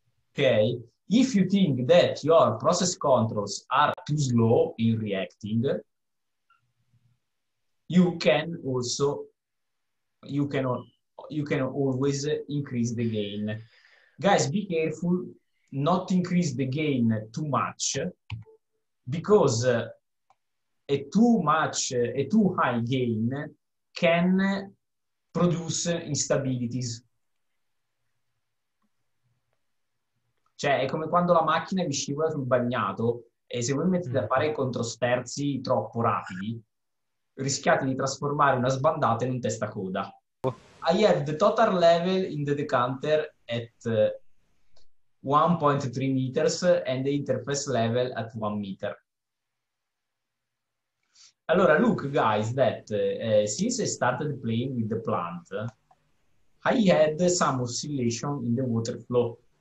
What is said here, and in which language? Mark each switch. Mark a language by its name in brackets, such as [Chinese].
[English] Okay, if you think that your process controls are too slow in reacting, you can always increase the gain. Guys, be careful not to increase the gain too much, because a too high gain can produce instabilities. [Italian] Cioè, è come quando la macchina vi scivola sul bagnato e se voi mettete a fare i controsterzi troppo rapidi, rischiate di trasformare una sbandata in un testa coda. [English] I have the total level in the decanter at 1.3 meters and the interface level at 1 meter. Allora, look, guys, that since I started playing with the plant, I had some oscillation in the water flow.